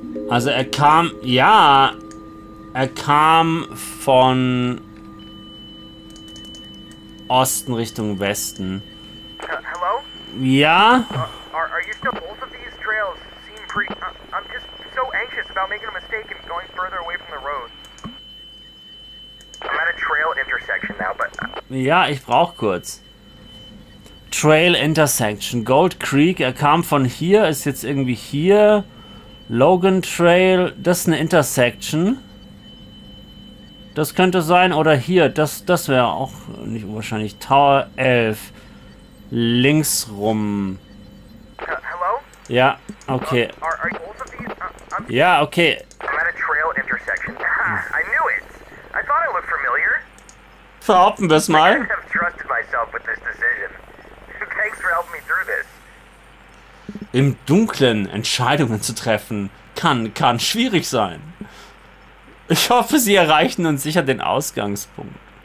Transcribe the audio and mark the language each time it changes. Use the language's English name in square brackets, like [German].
[German] Also, Er kam von Osten Richtung Westen. [English] Hello? [German] Ja? [English] Are you still both of these trails seem pretty... I'm just so anxious about making a mistake and going further away from the road. I'm at a trail intersection now, but... [German] Ja, ich brauch kurz. [English] Trail intersection. [German] Gold Creek, er kam von hier, ist jetzt irgendwie hier. Logan Trail, das ist eine Intersection. Das könnte sein, oder hier, das wäre auch nicht unwahrscheinlich. Tower 11. Links rum. [English] Hello? [German] Ja, okay. Are [English] you both of these? [German] Ja, okay. [English] I'm at a trail intersection. I knew it. I thought I looked familiar. [German] Verhoppen wir es mal. [English] I have trusted myself with this decision. Thanks for helping me through this. [German] Im Dunkeln Entscheidungen zu treffen kann schwierig sein. Ich hoffe, sie erreichen uns sicher den Ausgangspunkt.